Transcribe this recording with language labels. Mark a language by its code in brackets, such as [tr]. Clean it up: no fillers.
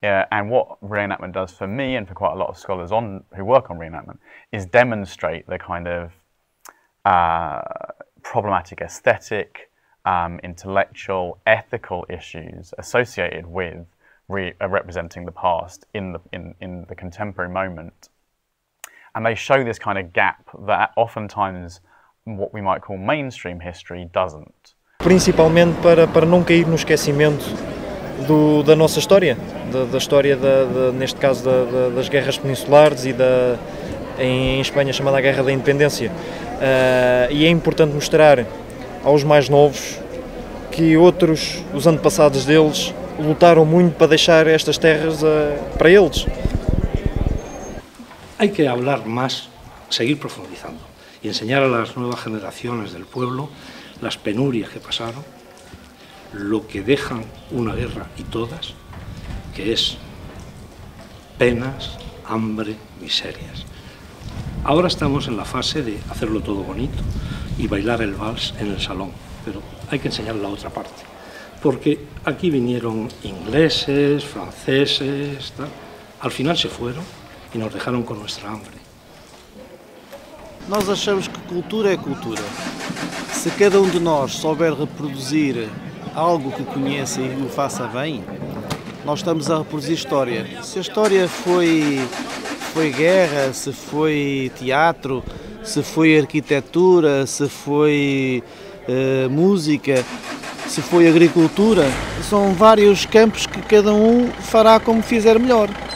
[en] Yeah, and what reenactment does for me and for quite a lot of scholars on who work on reenactment is demonstrate the kind of problematic aesthetic, intellectual, ethical issues associated with representing the past in the contemporary moment. And they show this kind of gap that oftentimes what we might call mainstream history doesn't. [pt] Principalmente para não cair no esquecimento da nossa história, da história neste caso das guerras peninsulares e em Espanha chamada a Guerra da Independência. E é importante mostrar aos mais novos que outros, os antepassados deles, lutaram muito para deixar estas terras para eles. [es] Hay que hablar más, seguir profundizando e enseñar a las nuevas generaciones del pueblo las penurias que pasaron, lo que dejan una guerra y todas, que es penas, hambre, miserias. Ahora estamos en la fase de hacerlo todo bonito y bailar el vals en el salón, pero hay que enseñar la otra parte, porque aquí vinieron ingleses, franceses, tal. Al final se fueron y nos dejaron con nuestra hambre. [pt] Nós achamos que cultura é cultura. Se cada de nós souber reproduzir algo que conheça e o faça bem, nós estamos a reproduzir história. Se a história foi guerra, se foi teatro, se foi arquitetura, se foi música, se foi agricultura, são vários campos que cada um fará como fizer melhor.